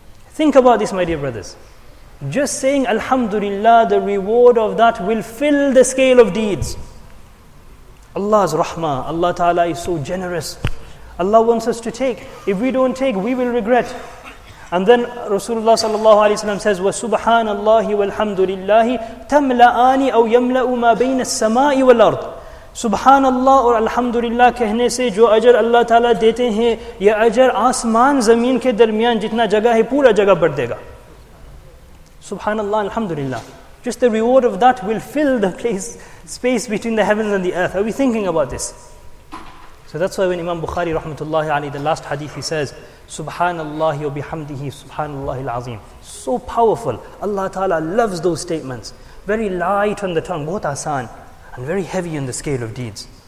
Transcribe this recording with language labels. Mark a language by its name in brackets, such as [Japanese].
[English] Think about this, my dear brothers. Just saying Alhamdulillah, the reward of that will fill the scale of deeds. Allah's rahmah, Allah ta'ala is so generous. Allah wants us to take. If we don't take, we will regret. And then Rasulullah sallallahu alayhi wa sallam says, [Arabic] وَسُبْحَانَ اللَّهِ وَالْحَمْدُ لِلَّهِ تَمْلَآنِ أَوْ يَمْلَأُ مَا بَيْنَ السَّمَاءِ وَالْأَرْضِ. [Urdu] Subhanallah اور Alhamdulillah کہنے سے جو اجر اللہ تعالیٰ دیتے ہیں, یہ اجر آسمان زمین کے درمیان جتنا جگہ ہے پورا جگہ بڑھ دے گا. [Arabic] Subhanallah, Alhamdulillah. [English] Just the reward of that will fill the place, space between the heavens and the earth. Are we thinking about this? So that's why when Imam Bukhari rahmatullahi alayhi, the last hadith, he says, [Arabic] Subhanallah wa bihamdihi, Subhanallah al-Azim. [English] So powerful. Allah Ta'ala loves those statements. Very light on the tongue, both asan, and very heavy on the scale of deeds.